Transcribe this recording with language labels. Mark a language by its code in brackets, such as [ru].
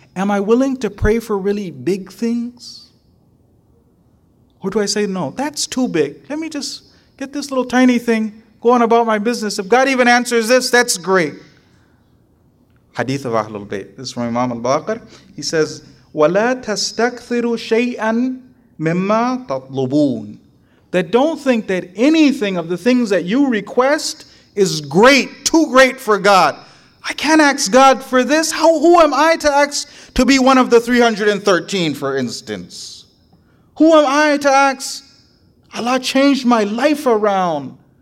[en] Am I willing to pray for really big things? Or do I say, no, that's too big. Let me just get this little tiny thing, go on about my business. If God even answers this, that's great. Hadith of Ahlul Bayt. This is from Imam Al-Baqir. He says, [ar] وَلَا تَسْتَكْثِرُ شَيْئًا مِمَّا تَطْلُبُونَ. [en] That don't think that anything of the things that you request is great, too great for God. I can't ask God for this. Who am I to ask to be one of the 313, for instance? Who am I to ask, Allah, change my life around.